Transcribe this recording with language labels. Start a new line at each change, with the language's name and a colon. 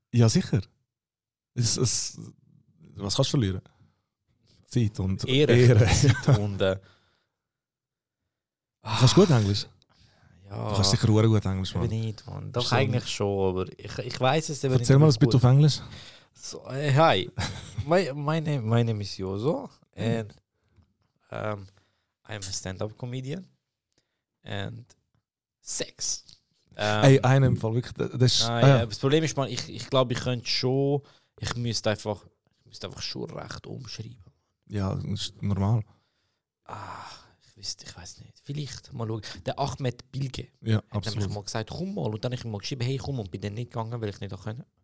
German: Ja, sicher. Es, was kannst du verlieren? Zeit und Ehre. Zeit und Kannst du gut Englisch? Du kannst sicher sehr gut Englisch, Mann. Nicht, Mann. Doch, so eigentlich schon, aber ich weiß es. Erzähl mal ein bisschen auf Englisch.
English: So, hi, my name is Joso and I'm a stand-up comedian and sex.
German: Einem Fall, wirklich. Das Problem ist, Mann, ich glaube, ich könnte schon, ich müsste einfach schon recht umschreiben. Ja, das ist normal. Ah, ich ich weiß nicht, vielleicht mal schauen. Der Ahmed Bilge, ja, hat nämlich mal gesagt, komm mal. Und dann habe ich ihm mal geschrieben, hey, komm, und bin dann nicht gegangen, weil ich nicht auch können.